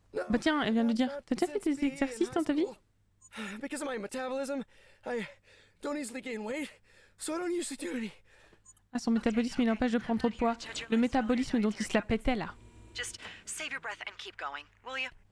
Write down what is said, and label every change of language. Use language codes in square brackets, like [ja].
[fr] Bah tiens, elle vient de dire, t'as déjà fait des exercices dans ta vie? [en] Because of my metabolism, I don't easily gain weight, so I don't usually do any. [fr] Ah, son métabolisme, il empêche de prendre trop de poids. Le métabolisme dont il se la pétait là. [en] Just save your breath and keep going, will you?